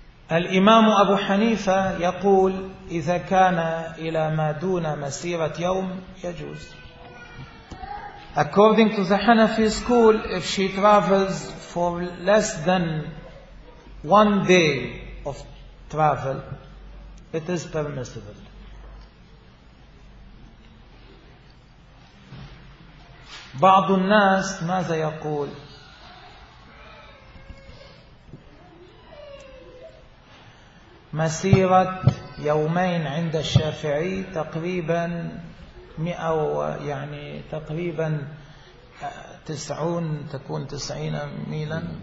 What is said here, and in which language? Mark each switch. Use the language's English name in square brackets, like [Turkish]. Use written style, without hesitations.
[Arabic] الإمام أبو حنيفة يقول إذا كان إلى ما دون مسيرة يوم يجوز. [English] According to the Hanafi school, if she travels for less than one day of travel, it is permissible. [Arabic] بعض الناس ماذا يقول؟ مسيرة يومين عند الشافعي تقريبا 100 يعني تقريبا 90 تكون 90 ميلا.